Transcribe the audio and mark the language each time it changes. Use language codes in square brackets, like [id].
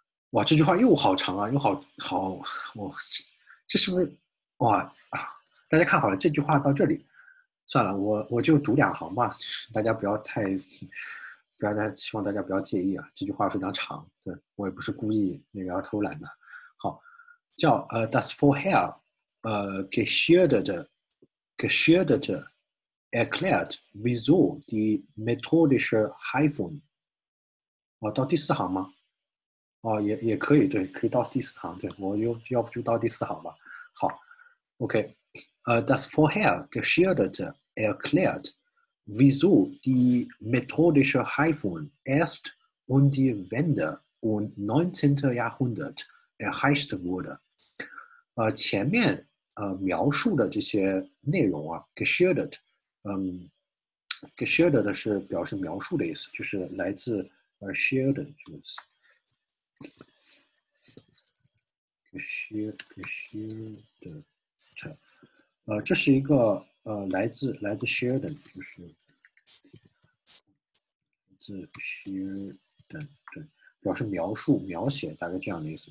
[zh] 哇，这句话又好长啊，又好好，我这是不是？哇啊！大家看好了，这句话到这里，算了，我就读两行吧，大家不要太，不要太，希望大家不要介意啊。这句话非常长，对，我也不是故意那个要偷懒的。 [de] 好，叫Das Vorher geschilderte Erklärt, wieso die methodische Heifung？ [zh] 哦，到第四行吗？哦，也可以，对，可以到第四行，对，我又要不就到第四行吧。 [de] 好，OK，das vorher geschilderte erklärt, wieso die methodische Heifung erst um die Wende und 19. Jahrhundert erreicht wurde。 [zh] 前面描述的这些内容啊，geschildert。 geschildert 的是表示描述的意思，就是来自shield 这个词。 geschildert，这是一个来自 shield，就是自 shield，对，表示描述、描写，大概这样的意思。